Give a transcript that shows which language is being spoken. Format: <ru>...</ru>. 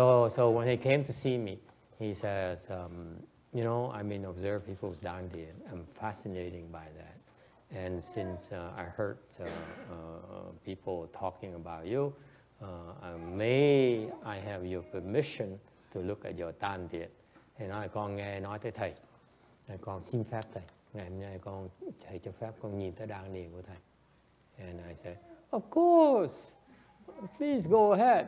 <en>So when he came to see me, he says, you know, I mean, observe people's dandy. I'm fascinated by that. And since I heard people talking about you, may I have your permission to look at your dandy. And I</en> <vi>con nghe nói tới thầy, con xin phép thầy. Ngày hôm nay con thầy cho phép con nhìn tới dandy của thầy.</vi> <en>And I said, of course, please go ahead.</en>